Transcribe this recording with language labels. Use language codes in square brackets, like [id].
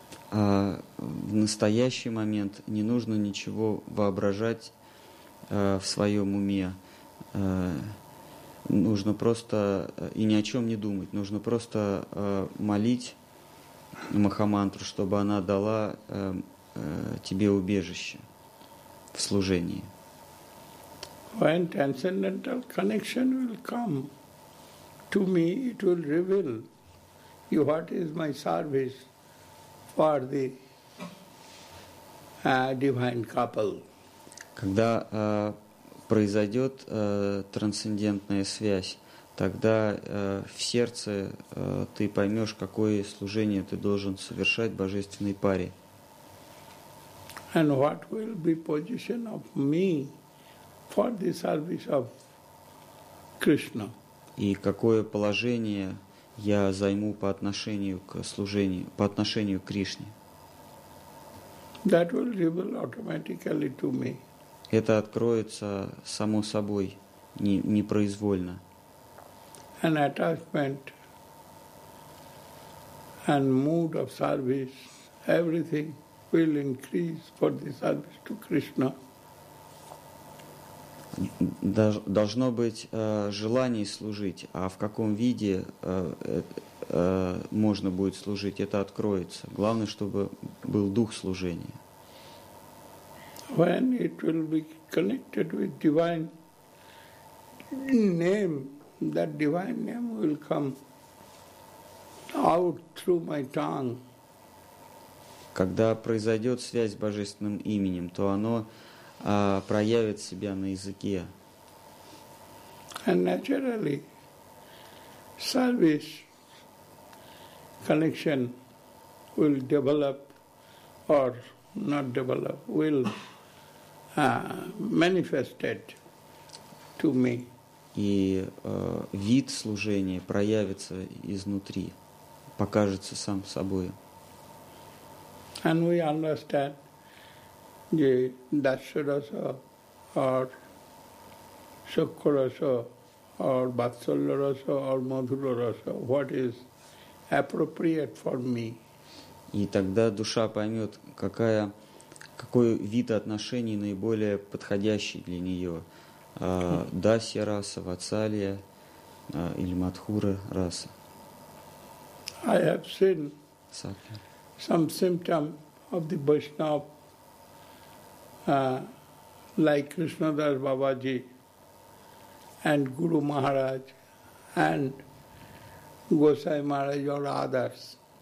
[ru] В настоящий момент не нужно ничего воображать в своем уме. Нужно просто и ни о чем не думать. Нужно просто молить Махамантру, чтобы она дала тебе убежище в служении. [en] When transcendental connection will come to me, it will reveal you what is my service for the divine couple. [ru] Когда произойдет трансцендентная связь, тогда в сердце ты поймешь, какое служение ты должен совершать божественной паре. [en] And what will be position of me for the service of Krishna? [ru] И какое положение я займу по отношению к служению, по отношению к Кришне? [en] That will reveal automatically to me. [ru] Это откроется само собой, непроизвольно. [en] An attachment and mood of service, everything will increase for the service to Krishna. [ru] Должно быть желание служить, а в каком виде можно будет служить, это откроется. Главное, чтобы был дух служения. [en] When it will be connected with divine name, that divine name will come out through my tongue. [ru] Когда произойдет связь с Божественным именем, то оно проявит себя на языке. [en] And naturally, service connection will develop or not develop, will manifested to me. [ru] И вид служения проявится изнутри, покажется сам собой. [en] And we understand the Dasaraso or Sukkaraso or Batsalaraso or Madhuraraso, what is appropriate for me. [ru] И тогда душа поймет, какая, какой вид отношений наиболее подходящий для нее. Дасья раса, Вацалия или Мадхура раса. [en] I have seen some symptom of the Vaishnava, like Krishnadas Babaji and Guru Maharaj and Gosai Maharaj or others.